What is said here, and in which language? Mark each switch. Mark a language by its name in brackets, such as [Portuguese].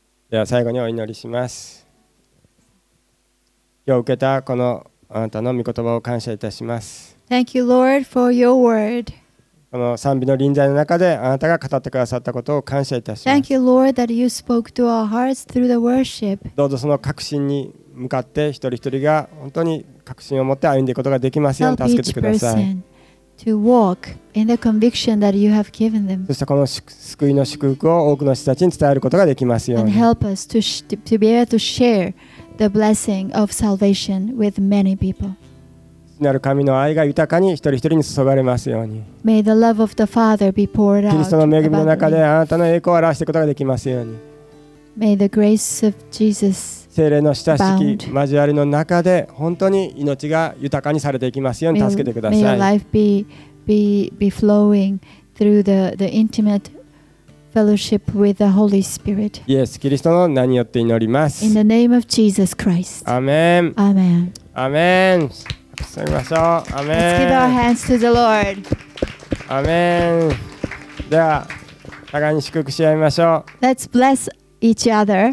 [Japanese] では最後にお祈りします。今日受けたこのあなたの御言葉を感謝いたします。 [English] Thank you, Lord, for your word. [Japanese] この賛美の臨在の中であなたが語ってくださったことを感謝いたします。 [English] Thank you, Lord, that you spoke to our hearts through the worship. [Japanese] どうぞその確信に向かって一人一人が本当に確信を持って歩んでいくことができますように助けてください。 [English] Help each person to walk in the conviction that you have given them. [Japanese] そしてこの救いの祝福を多くの人たちに伝えることができますように。 [English] And help us to be able to share the blessing of salvation with many people. [Japanese] なる神の愛が豊かに一人一人に注がれますように。 [English] May the love of the Father be poured out. [Japanese] キリストの恵みの中であなたの栄光を表していくことができますように。 [English] May the grace of Jesus abound. [Japanese] 聖霊の親しき交わりの中で本当に命が豊かにされていきますように助けてください。 [English] May your life be flowing through the intimate fellowship with the Holy Spirit. [Japanese] イエス・キリストの名によって祈ります。 [English] In the name of Jesus Christ. [Japanese] アーメン。アーメン。アーメン。捧げましょう。アメン。 [English] Let's give our hands to the Lord. [Japanese] アメン。では、互いに祝福し合いましょう。 [English] Let's bless each other.